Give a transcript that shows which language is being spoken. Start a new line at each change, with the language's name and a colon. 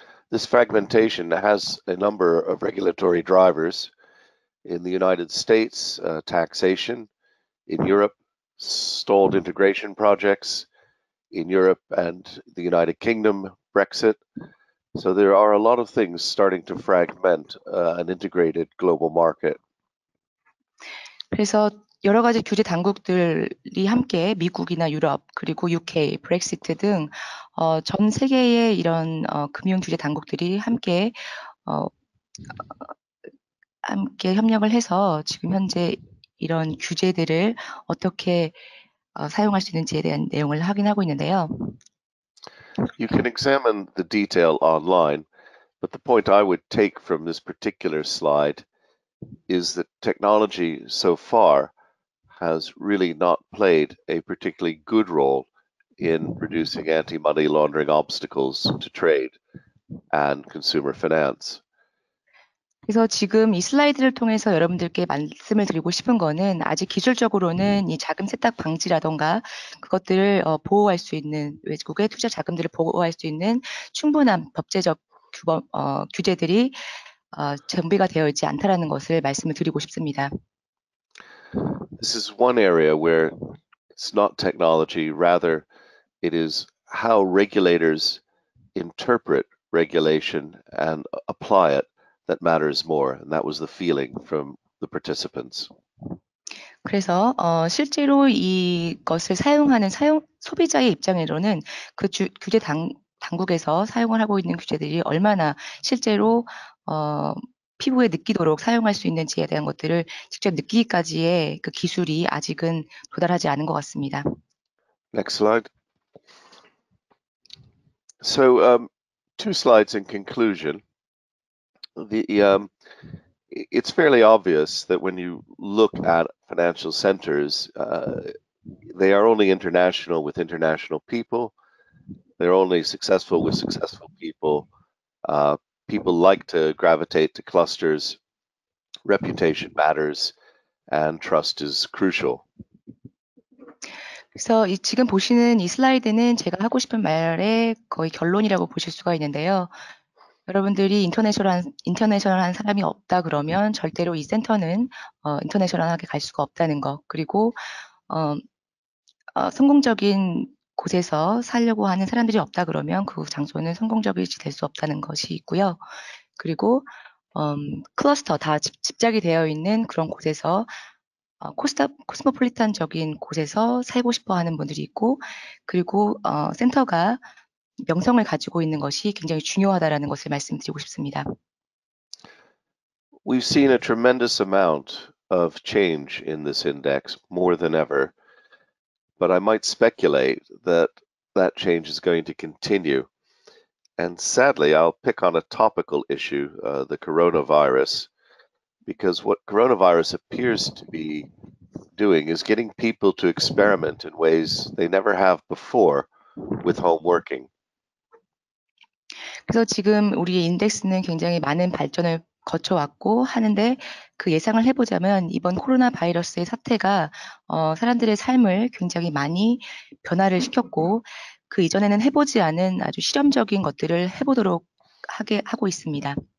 English: This fragmentation has a number of regulatory drivers in the United States, taxation, in Europe, stalled integration projects, in Europe and the United Kingdom, Brexit. So there are a lot of things starting to fragment an integrated global market.
Korean: 그래서 여러 가지 규제 당국들이 함께 미국이나 유럽 그리고 UK, 브렉시트 등 전 세계의 이런 금융 규제 당국들이 함께 협력을 해서 지금 현재 이런 규제들을 어떻게 사용할 수 있는지에 대한 내용을 확인하고 있는데요.
English: You can examine the detail online, but the point I would take from this particular slide is that technology so far has really not played a particularly good role in reducing anti-money laundering obstacles to trade and consumer finance.
Korean: 그래서 지금 이 슬라이드를 통해서 여러분들께 말씀을 드리고 싶은 거는 아직 기술적으로는 이 자금 세탁 방지라던가 그것들을 보호할 수 있는 외국의 투자 자금들을 보호할 수 있는 충분한 법제적 규제들이 정비가 되어 있지 않다라는 것을 말씀을 드리고 싶습니다.
English: This is one area where it's not technology, rather it is how regulators interpret regulation and apply it that matters more, and that was the feeling from the participants.
Korean: 그래서 실제로 이것을 사용하는 소비자의 입장으로는 그 규제 당국에서 사용을 하고 있는 규제들이 얼마나 실제로 피부에 느끼도록 사용할 수 있는지에 대한 것들을 직접 느끼기까지의 그 기술이 아직은 도달하지 않은 것 같습니다.
English: Next slide. So two slides in conclusion. It's fairly obvious that when you look at financial centers, they are only international with international people. They're only successful with successful people. People like to gravitate to clusters. Reputation matters, and trust is crucial.
Korean: 그래서 이 지금 보시는 이 슬라이드는 제가 하고 싶은 말의 거의 결론이라고 보실 수가 있는데요. 여러분들이 인터내셔널한 사람이 없다 그러면 절대로 이 센터는 인터내셔널하게 갈 수가 없다는 것. 그리고 성공적인 곳에서 살려고 하는 사람들이 없다 그러면 그 장소는 성공적이지 될 수 없다는 것이 있고요. 그리고 클러스터 다 집작이 되어 있는 그런 곳에서 코스모폴리탄적인 곳에서 살고 싶어 하는 분들이 있고 그리고 센터가 명성을 가지고 있는 것이 굉장히 중요하다라는 것을 말씀드리고 싶습니다.
English: We've seen a tremendous amount of change in this index more than ever. But I might speculate that that change is going to continue. And sadly, I'll pick on a topical issue, the coronavirus, because what coronavirus appears to be doing is getting people to experiment in ways they never have before with home working.
Korean: 그래서 지금 우리 인덱스는 굉장히 많은 발전을 거쳐왔고 하는데 그 예상을 해보자면 이번 코로나 바이러스의 사태가 사람들의 삶을 굉장히 많이 변화를 시켰고 그 이전에는 해보지 않은 아주 실험적인 것들을 해보도록 하고 있습니다.